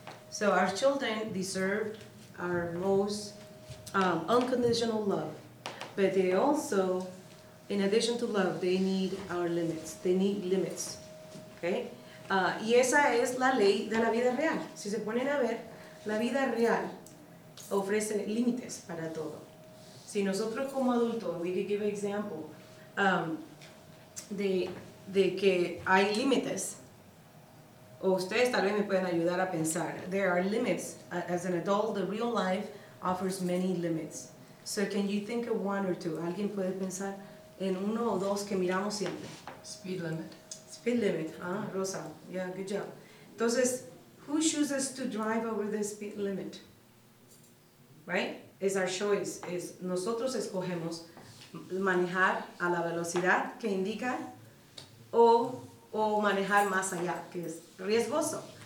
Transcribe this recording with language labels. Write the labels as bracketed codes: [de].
[en] So our children deserve our most unconditional love. But they also, in addition to love, they need our limits. They need limits. Okay? [es] Y esa es la ley de la vida real. Si se ponen a ver, la vida real ofrece límites para todo. Si nosotros como adultos, [en] we could give an example [es] de que hay límites, o ustedes tal vez me pueden ayudar a pensar. [en] There are limits. As an adult, the real life offers many limits. So can you think of one or two? [es] ¿Alguien puede pensar en uno o dos que miramos siempre? [en] Speed limit. Speed limit, huh? Rosa. Yeah, good job. Entonces, who chooses to drive over the speed limit? Right? It's our choice. [es] Es nosotros escogemos manejar a la velocidad que indica o manejar más allá, que es riesgoso.